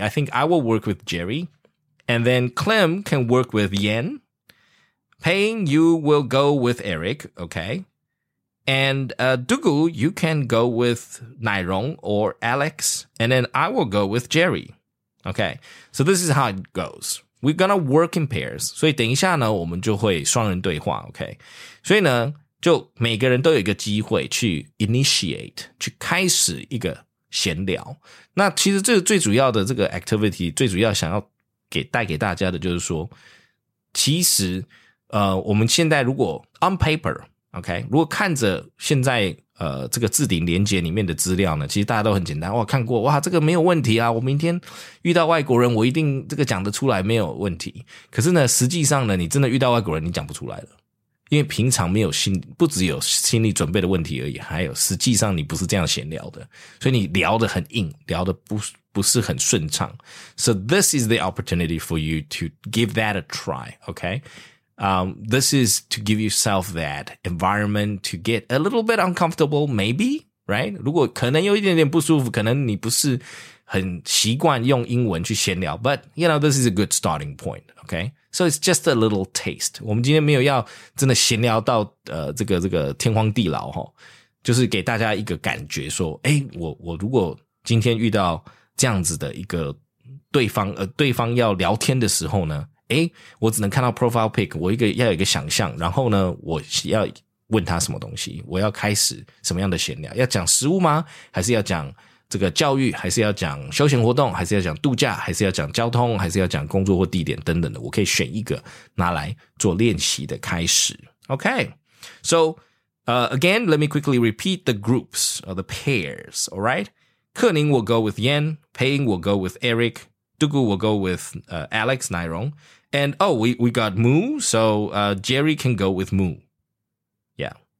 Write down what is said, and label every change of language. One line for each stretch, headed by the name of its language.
English: I think I will work with Jerry, and then Clem can work with Yen. Peng, you will go with Eric, okay? And Dugu, you can go with Nairong or Alex, and then I will go with Jerry. Okay, so this is how it goes. We're gonna work in pairs.
Chinese: 所以等一下呢，我们就会双人对话。Okay, 所以呢，就每个人都有一个机会去 initiate, 去开始一个闲聊。那其实这个最主要的这个 activity, 最主要想要给带给大家的就是说，其实我们现在如果 on paper,OK, 如果看着现在这个置顶连结里面的资料呢，其实大家都很简单，哇，看过，哇，这个没有问题啊，我明天遇到外国人我一定这个讲得出来，没有问题。可是呢，实际上呢，你真的遇到外国人你讲不出来了，因为平常没有心，不只有心理准备的问题而已，还有实际上你不是这样闲聊的，所以你聊得很硬，聊得不是很顺畅。
English: So this is the opportunity for you to give that a try, OK? This is to give yourself that environment to get a little bit uncomfortable, maybe, right?
Chinese: 如果可能有一点点不舒服，可能你不是很习惯用英文去闲聊，
English: but, you know, this is a good starting point, okay? So it's just a little taste.
Chinese: 我们今天没有要真的闲聊到这个天荒地老齁，就是给大家一个感觉说，诶，我如果今天遇到这样子的一个对方要聊天的时候呢，诶，我只能看到 profile pic, 我一个要有一个想象，然后呢我要问他什么东西，我要开始什么样的闲聊，要讲食物吗，还是要讲这个教育，还是要讲休闲活动，还是要讲度假，还是要讲交通，还是要讲工作或地点等等的，我可以选一个拿来做练习的开始。
English: OK, so again, let me quickly repeat the groups or the pairs, alright? 克宁 will go with Yen, Peng will go with EricDugu will go with Alex, Nairong. And, oh, we got Moo, so Jerry can go with Moo. Yeah.